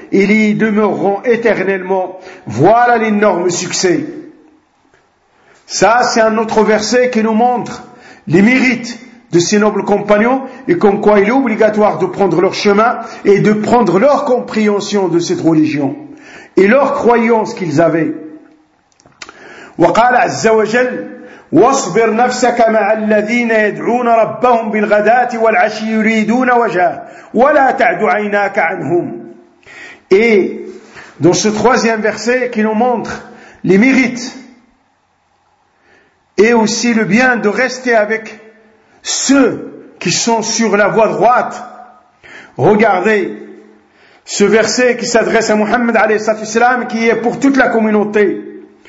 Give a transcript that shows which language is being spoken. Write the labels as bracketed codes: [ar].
[fr] Ils y demeureront éternellement. Voilà l'énorme succès. Ça, c'est un autre verset qui nous montre les mérites de ses nobles compagnons et comme quoi il est obligatoire de prendre leur chemin et de prendre leur compréhension de cette religion et leur croyance qu'ils avaient. [ar] وقال عز وجل واصبر نفسك مع الذين يدعون ربهم بالغداة والعشي يريدون وجهه ولا تعد عيناك عنهم. [fr] Et dans ce troisième verset qui nous montre les mérites et aussi le bien de rester avec ceux qui sont sur la voie droite. Regardez ce verset qui s'adresse à Mohammed alayhi salam, qui est pour toute la communauté.